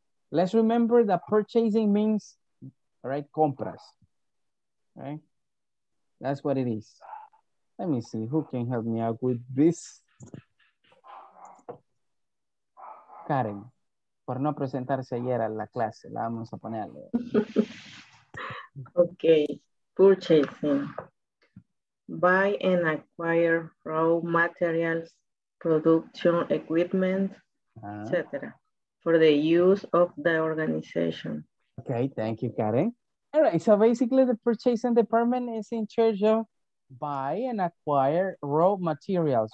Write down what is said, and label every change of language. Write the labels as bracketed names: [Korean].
[English] Let's remember that purchasing means, right, compras, right? That's what it is. Let me see who can help me out with this. [Spanish] Karen, por no presentarse ayer a la clase, la vamos a poner a leer. [English] Okay, purchasing. Buy and acquire raw materials, production equipment, etc. For the use of the organization. Okay, thank you, Karen. All right, so basically the purchasing department is in charge of buy and acquire raw materials.